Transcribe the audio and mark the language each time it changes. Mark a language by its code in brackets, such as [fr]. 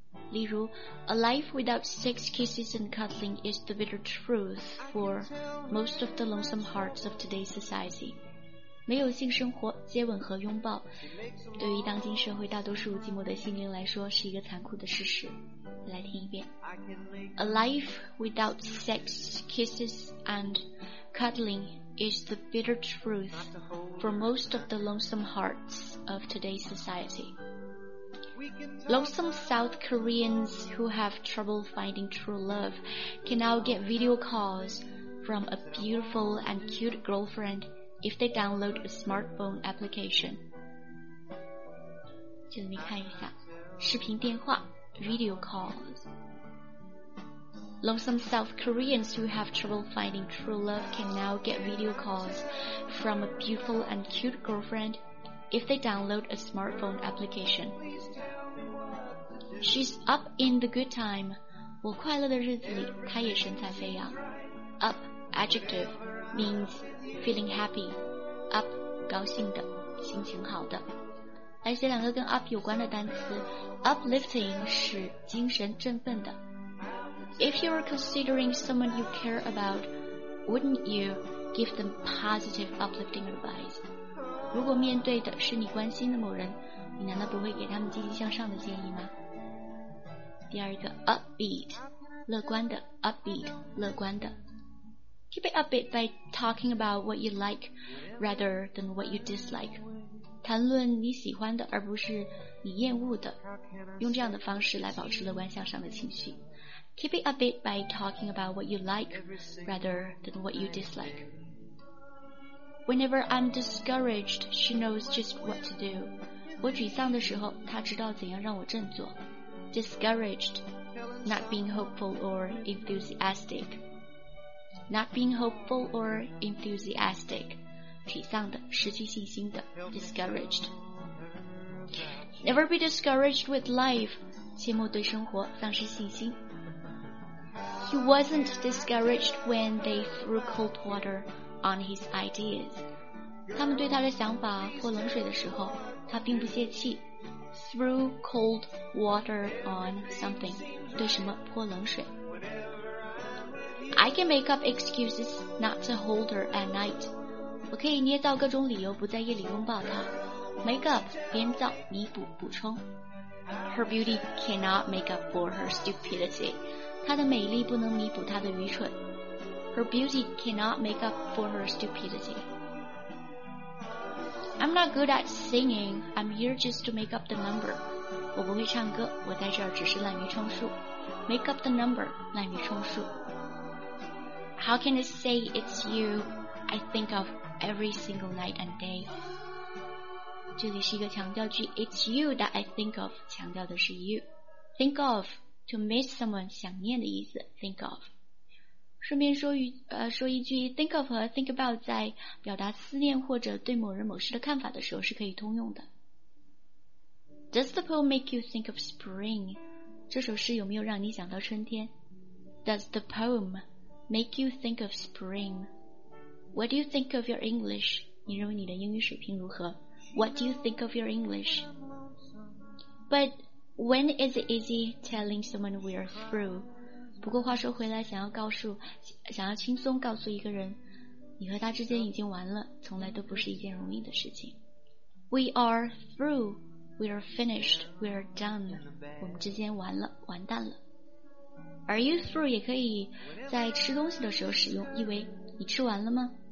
[zh] 例如， [en] A life without sex, kisses and cuddling is the bitter truth for most of the lonesome hearts of today's society。 [zh] 没有性生活，接吻和拥抱对于当今社会大多数寂寞的心灵来说是一个残酷的事实。来听一遍。 [en] A life without sex, kisses and cuddling is the bitter truth for most of the lonesome hearts of today's society. Lonesome South Koreans who have trouble finding true love can now get video calls from a beautiful and cute girlfriendIf they download a smartphone application. [zh] 就这么看一下，视频电话 [en] video calls. Lonesome South Koreans who have trouble finding true love can now get video calls from a beautiful and cute girlfriend if they download a smartphone application. She's up in the good time. [zh] 我快乐的日子里，她也神采飞扬。 [en] Up, adjective. means feeling happy, up, [zh] 高兴的，心情好的。来写两个跟 up 有关的单词。Uplifting 是精神振奋的。 [en] If you were considering someone you care about, wouldn't you give them positive uplifting advice? [zh] 如果面对的是你关心的某人，你难道不会给他们积极向上的建议吗？第二个 upbeat, 乐观的 upbeat, 乐观的。 [en] Keep it up it by talking about what you like rather than what you dislike. [zh] 谈论你喜欢的而不是你厌恶的，用这样的方式来保持乐观向上的情绪。 [en] Keep it up it by talking about what you like rather than what you dislike. Whenever I'm discouraged, she knows just what to do. [zh] 我沮丧的时候，她知道怎样让我振作。 [en] Discouraged, not being hopeful or enthusiastic. Not being hopeful or enthusiastic, [zh] 沮丧的，失去信心的， [en] discouraged. Never be discouraged with life, [zh] 切莫对生活丧失信心。 [en] He wasn't discouraged when they threw cold water on his ideas. [zh] 他们对他的想法泼冷水的时候，他并不泄气。 [en] Threw cold water on something, [zh] 对什么泼冷水。 [en] I can make up excuses not to hold her at night. [zh] 我可以捏造各种理由不在夜里拥抱她。 [en] Make up, [zh] 编造，弥补，补充。 [en] Her beauty cannot make up for her stupidity. [zh] 她的美丽不能弥补她的愚蠢。 [en] Her beauty cannot make up for her stupidity. I'm not good at singing. I'm here just to make up the number. [zh] 我不会唱歌，我在这儿只是滥竽充数。 [en] Make up the number, [zh] 滥竽充数。 [en] How can I say it's you I think of every single night and day? [zh] 这里是一个强调句， [en] It's you that I think of, 强调的是 you. Think of, to miss someone, [zh] 想念的意思， [en] think of. [zh] 顺便说一句， think of 和 think about 在表达思念或者对某人某事的看法的时候是可以通用的。 [en] Does the poem make you think of spring? [zh] 这首诗有没有让你想到春天？ [en] Does the poemMake you think of spring. What do you think of your English? [zh] 你认为你的英语水平如何？ [en] What do you think of your English? But when is it easy telling someone we are through? [zh] 不过话说回来，想要轻松告诉一个人，你和他之间已经完了，从来都不是一件容易的事情。 [en] We are through. We are finished. We are done. [zh] 我们之间完了，完蛋了。而 eat through 也可以在吃东西的时候使用，意为你吃完了吗？